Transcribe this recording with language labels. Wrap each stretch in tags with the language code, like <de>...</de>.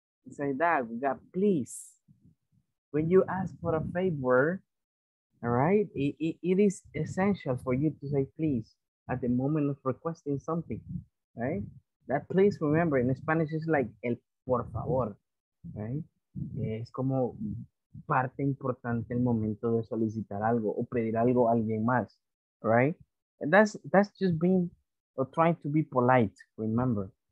<en>Say that, we got please. When you ask for a favor, all right, it is essential for you to say please at the moment of requesting something, right? That please, remember, in Spanish is like</en> <es>el por favor,</es> <en>right?</en> <es>Es como parte importante el momento de solicitar algo o pedir algo a alguien más, right?</es> <en>And that's just being or trying to be polite, remember.</en>